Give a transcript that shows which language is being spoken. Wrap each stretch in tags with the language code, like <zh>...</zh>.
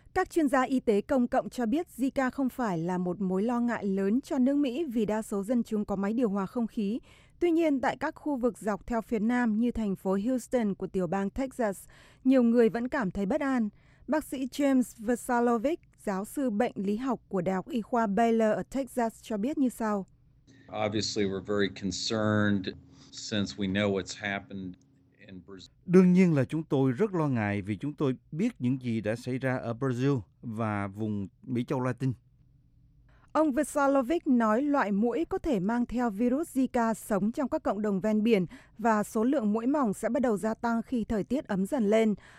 <vi>Các chuyên gia y tế công cộng cho biết Zika không phải là một mối lo ngại lớn cho nước Mỹ vì đa số dân chúng có máy điều hòa không khí. Tuy nhiên, tại các khu vực dọc theo phía Nam như thành phố Houston của tiểu bang Texas, nhiều người vẫn cảm thấy bất an. Bác sĩ James Vasilovic, giáo sư bệnh lý học của Đại học Y khoa Baylor ở Texas cho biết như sau.</vi> <en>Obviously, we're very concerned since we know what's happened.</en> <vi>Đương nhiên là chúng tôi rất lo ngại vì chúng tôi biết những gì đã xảy ra ở Brazil và vùng Mỹ Châu Latin. Ông Vesalovic nói loại muỗi có thể mang theo virus Zika sống trong các cộng đồng ven biển và số lượng muỗi mỏng sẽ bắt đầu gia tăng khi thời tiết ấm dần lên.</vi>